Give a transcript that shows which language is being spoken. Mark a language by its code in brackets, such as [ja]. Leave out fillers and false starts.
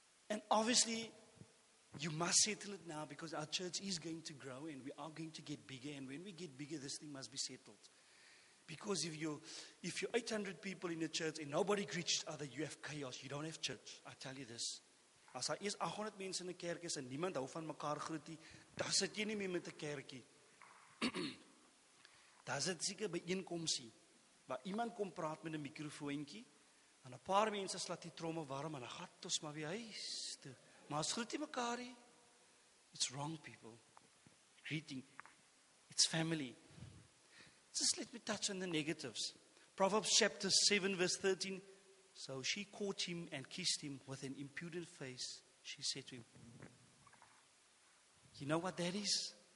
[en] And obviously, you must settle it now because our church is going to grow and we are going to get bigger. And when we get bigger, this thing must be settled. Because if you're 800 people in the church and nobody greets each other, you have chaos. You don't have church. I tell you this. [af] As daar is 800 mense in 'n kerk is en niemand hou van mekaar groet nie, dan sit jy nie meer met 'n kerkie. Daar sit seker byeenkomsie, waar iemand kom praat met 'n mikrofoontjie, en 'n paar mense slat die tromme warm, en dan gaat ons maar weer huis toe. Maar as groet jy mekaar nie, [en] it's wrong people. Greeting, it's family. Just let me touch on the negatives. Proverbs chapter 7 verse 13. So she caught him and kissed him with an impudent face. She said to him, you know what that is?